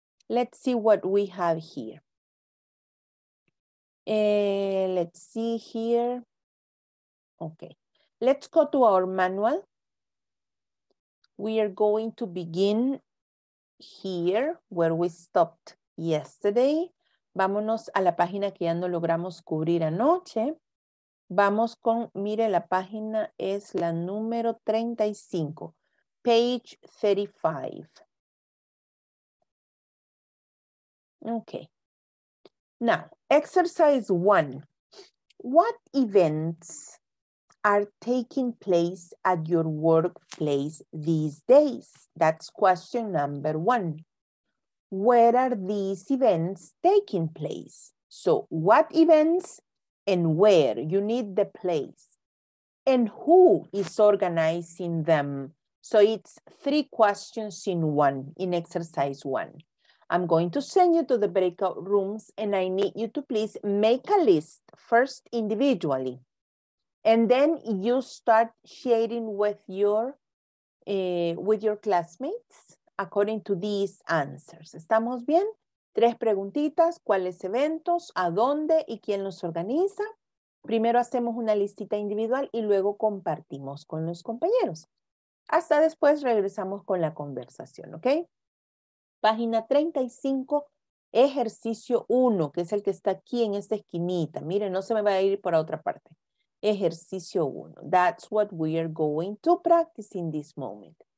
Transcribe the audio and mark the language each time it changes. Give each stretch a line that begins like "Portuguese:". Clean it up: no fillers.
English: Let's see what we have here. Let's see here. Okay, let's go to our manual. We are going to begin here where we stopped yesterday.
Spanish: Vámonos a la página que ya no logramos cubrir anoche. Vamos con, mire, la página es la número 35,
English: page 35. Okay. Now, exercise one. What events are taking place at your workplace these days? That's question number one. Where are these events taking place? So what events and where? You need the place. And who is organizing them? So it's three questions in one, in exercise one. I'm going to send you to the breakout rooms and I need you to please make a list first individually. And then you start sharing with your classmates according to these answers.
Spanish: ¿Estamos bien? Tres preguntitas, ¿cuáles eventos, a dónde y quién los organiza? Primero hacemos una listita individual y luego compartimos con los compañeros. Hasta después regresamos con la conversación, ¿ok? Página 35, ejercicio 1, que es el que está aquí en esta esquinita. Miren, no se me va a ir por otra parte. Ejercicio 1.
English: That's what we are going to practice in this moment.